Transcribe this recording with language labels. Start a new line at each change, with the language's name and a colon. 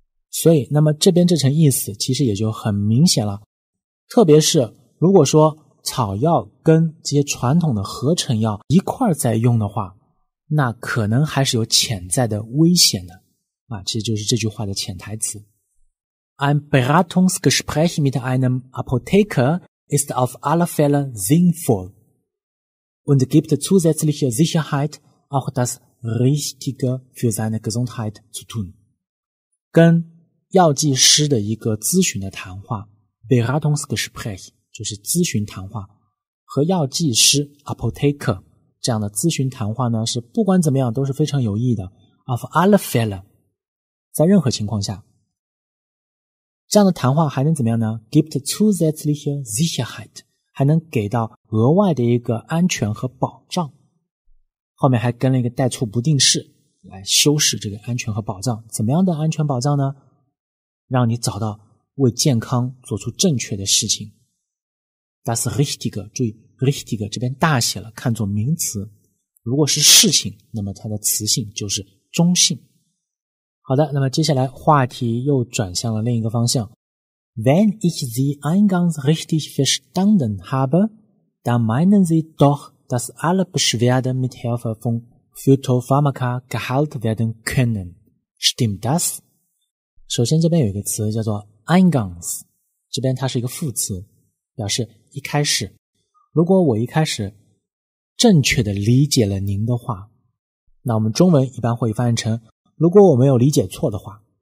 Chinese: 所以那么这边这层意思其实也就很明显了，特别是如果说草药跟这些传统的合成药一块在用的话，那可能还是有潜在的危险的、啊、其实就是这句话的潜台词。
German: Ein Beratungsgespräch mit einem Apotheker ist auf alle Fälle sinnvoll und gibt zusätzliche Sicherheit, auch das Richtige für seine Gesundheit zu tun.
Chinese: 跟药剂师的一个咨询的谈话 Beratungsgespräch 就是咨询谈话，和药剂师 Apotheker 这样的咨询谈话呢，是不管怎么样都是非常有意义的。
German: auf alle Fälle
Chinese: 在任何情况下，这样的谈话还能怎么样呢？
German: gibt zusätzliche Sicherheit，
Chinese: 还能给到额外的一个安全和保障，后面还跟了一个代促不定式来修饰这个安全和保障。怎么样的安全保障呢？让你找到为健康做出正确的事情。 das Richtige， 注意 Richtige 这边大写了，看作名词，如果是事情，那么它的词性就是中性。好的，那么接下来话题又转向了另一个方向。
German: Wenn ich Sie eingangs richtig verstanden habe, dann meinen Sie doch, dass alle Beschwerden mit Hilfe von Phytopharmaka geheilt werden können. Stimmt das?
Chinese: 首先这边有一个词叫做 eingangs， 这边它是一个副词，表示一开始。如果我一开始正确的理解了您的话，那我们中文一般会翻译成如果我没有理解错的话。